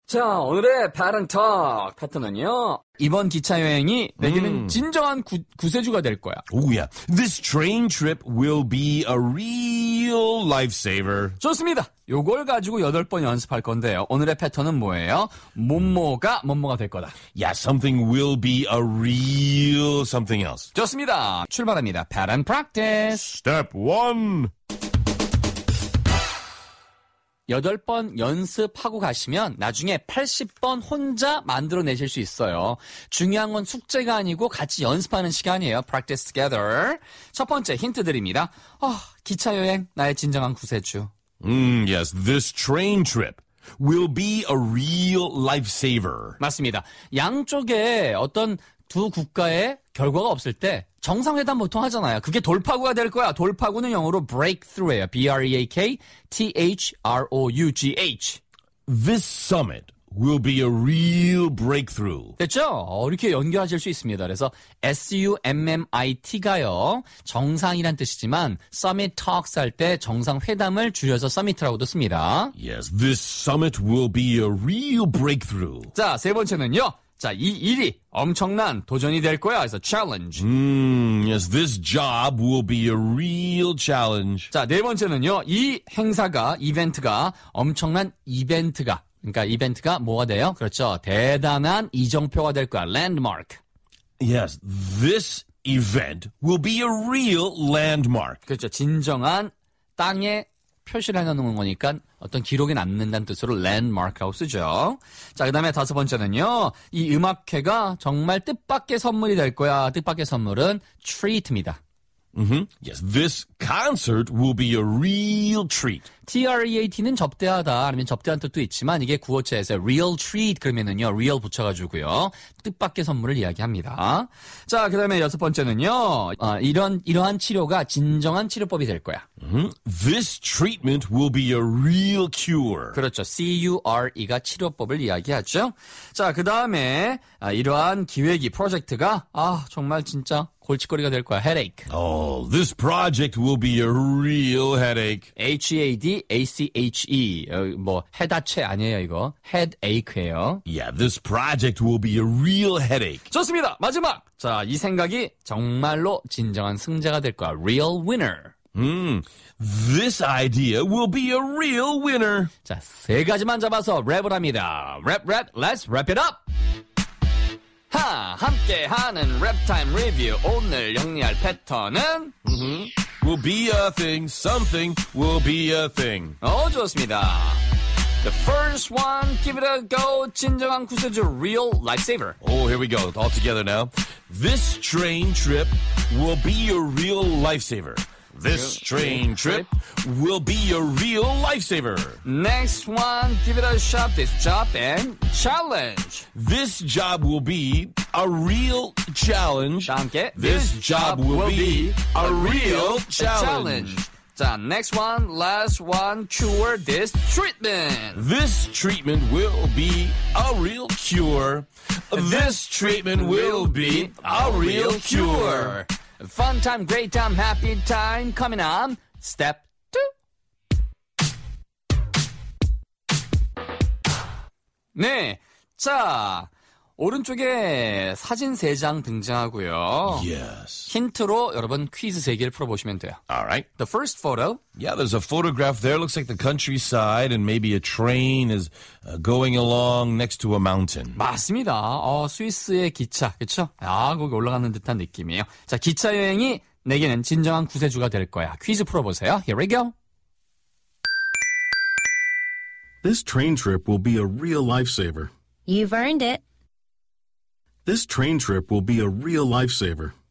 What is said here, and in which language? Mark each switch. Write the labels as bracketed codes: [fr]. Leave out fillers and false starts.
[ko] 자, 오늘의 바른톡 파트너는요. 이번 기차 여행이 내게는 진정한 구세주가 될 거야. [en] Oh yeah. This train trip will be a real lifesaver. [ko] 좋습니다. 요걸 가지고 여덟 번 연습할 건데요. 오늘의 패턴은 뭐예요? 뭐뭐가 뭐뭐가 될 거다. [en] Yeah, something will be a real something else. [ko] 좋습니다. 출발합니다. 바른 프랙티스. [en] Step 1. [ko] 여덟 번 연습하고 가시면 나중에 80번 혼자 만들어내실 수 있어요. 중요한 건 숙제가 아니고 같이 연습하는 시간이에요. [en] Practice together. [ko] 첫 번째 힌트 드립니다. 기차 여행, 나의 진정한 구세주. [en] Yes, this train trip will be a real lifesaver. [ko] 맞습니다. 양쪽에 어떤 두 국가의 결과가 없을 때 정상회담 보통 하잖아요. 그게 돌파구가 될 거야. 돌파구는 영어로 breakthrough예요. [en] B-R-E-A-K-T-H-R-O-U-G-H. This summit will be a real breakthrough. [ko] 됐죠? 이렇게 연결하실 수 있습니다. 그래서 S-U-M-M-I-T가요. 정상이란 뜻이지만 summit talks 할 때 정상회담을 줄여서 summit라고도 씁니다. [en] Yes, this summit will be a real breakthrough. [ko] 자, 세 번째는요. 자, 이 일이 엄청난 도전이 될 거야. 그래서 challenge. [en] Yes, this job will be a real challenge. [ko] 자, 네 번째는요. 이 행사가, 이벤트가 엄청난 이벤트가. 그러니까 이벤트가 뭐가 돼요? 그렇죠. 대단한 이정표가 될 거야. [en] Landmark. Yes, this event will be a real landmark. [ko] 그렇죠. 진정한 땅의 표시를 해놓는 거니까 어떤 기록에 남는다는 뜻으로 landmark이라고 쓰죠. 자, 그 다음에 다섯 번째는요. 이 음악회가 정말 뜻밖의 선물이 될 거야. 뜻밖의 선물은 treat입니다. Mm-hmm. [en] Yes, this concert will be a real treat. [ko] T-R-E-A-T는 접대하다 아니면 접대한 뜻도 있지만 이게 구어체에서 real treat 그러면은요. real 붙여가지고요. 뜻밖의 선물을 이야기합니다. 자, 그 다음에 여섯 번째는요. 이러한 치료가 진정한 치료법이 될 거야. Mm-hmm. [en] This treatment will be a real cure. [ko] 그렇죠. C-U-R-E가 치료법을 이야기하죠. 자, 그 다음에 이러한 기획이 프로젝트가 정말 진짜 골칫거리가 될 거야. [en] Headache. Oh, this project will be a real headache. H-E-A-D-A-C-H-E. [ko] 뭐 해다체 아니에요 이거. Headache예요. [en] Yeah, this project will be a real headache. [ko] 좋습니다. 마지막. 자, 이 생각이 정말로 진정한 승자가 될 거야. [en] Real winner. This idea will be a real winner. [ko] 자, 세 가지만 잡아서 랩을 합니다. [en] Rap. Let's wrap it up. [ko] 함께하는 랩타임 리뷰 오늘 영리할 패턴은 [en] Will be a thing, something will be a thing. [ko] 좋습니다. [en] The first one, give it a go. [ko] 진정한 구세주, [en] real lifesaver. Oh, here we go. All together now. This train trip will be a real lifesaver. This train trip will be a real lifesaver. Next one, give it a shot, this job and challenge. This job will be a real challenge. [ko] 함께. [en] This job will be a real challenge. 자, next one, last one, cure this treatment. This treatment will be a real cure. This treatment will be a real cure. Fun time, great time, happy time coming on step two. [ko] 네, 자 오른쪽에 사진 세 장 등장하고요. [en] Yes. [ko] 힌트로 여러분 퀴즈 세 개를 풀어보시면 돼요. [en] All right. The first photo. Yeah, there's a photograph there. Looks like the countryside and maybe a train is going along next to a mountain. [ko] 맞습니다. 스위스의 기차, 그렇죠? 거기 올라가는 듯한 느낌이에요. 자, 기차 여행이 내게는 진정한 구세주가 될 거야. 퀴즈 풀어보세요. [en] Here we go. This train trip will be a real lifesaver. You've earned it. This train trip will be a real lifesaver.